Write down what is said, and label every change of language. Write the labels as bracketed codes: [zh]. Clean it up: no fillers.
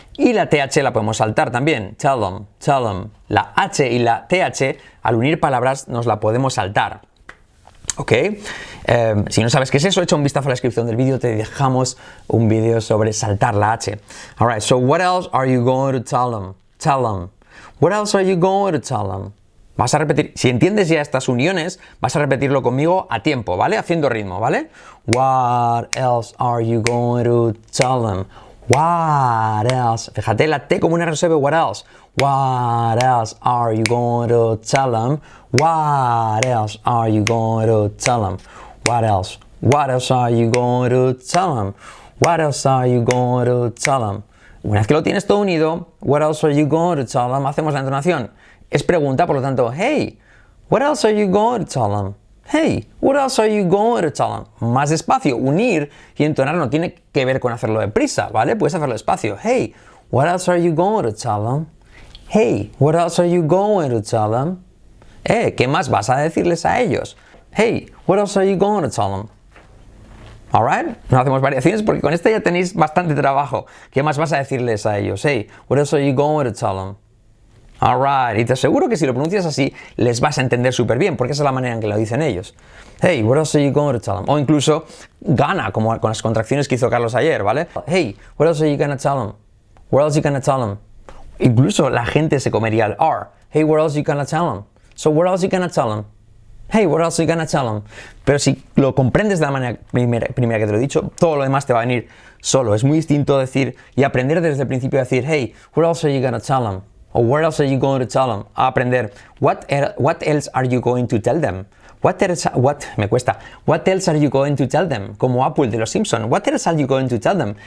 [es] Y la TH la podemos saltar también, [en] tell them. [es] La H y la TH, al unir palabras, nos la podemos saltar. Ok, si no sabes qué es eso, echa un vistazo a la descripción del vídeo, te dejamos un vídeo sobre saltar la H. [en] Alright, so what else are you going to tell them? Tell them. What else are you going to tell them? [es] Vas a repetir, si entiendes ya estas uniones, vas a repetirlo conmigo a tiempo, ¿vale? Haciendo ritmo, ¿vale? [en] What else are you going to tell them? What else? [es] Fíjate, la T como una RSV, [en] what else? What else are you going to tell them? What else are you going to tell them? What else? What else are you going to tell them? What else are you going to tell them? [es] Una vez que lo tienes todo unido, [en] what else are you going to tell them? [es] Hacemos la entonación. Es pregunta, por lo tanto, [en] hey, what else are you going to tell them? Hey, what else are you going to tell them? [es] Más despacio, unir y entonar no tiene que ver con hacerlo deprisa, ¿vale? Puedes hacerlo despacio. [en] Hey, what else are you going to tell them? Hey, what else are you going to tell them? [es] ¿Qué más vas a decirles a ellos? [en] Hey, what else are you going to tell them? [es] Alright, no hacemos variaciones porque con esta ya tenéis bastante trabajo. ¿Qué más vas a decirles a ellos? [en] Hey, what else are you going to tell them? [es] Alright, y te aseguro que si lo pronuncias así, les vas a entender súper bien, porque esa es la manera en que lo dicen ellos. [en] Hey, what else are you going to tell them? [es] O incluso, gana, como con las contracciones que hizo Carlos ayer, ¿vale? [en] Hey, what else are you going to tell them? What else are you going to tell them? [es] Incluso la gente se comería el R. [en] Hey, what else are you going to tell them? So, what else are you going to tell them? Hey, what else are you going to tell them? [es] Pero si lo comprendes de la manera primera que te lo he dicho, todo lo demás te va a venir solo. Es muy distinto decir y aprender desde el principio a decir, [en] hey, what else are you going to tell them? O what else are you going to tell them? [es] A aprender, [en] what else are you going to tell them? What else, what, [es] me cuesta, [en] what else are you going to tell them? [es] Como Apple de los Simpsons, [en] what else are you going to tell them?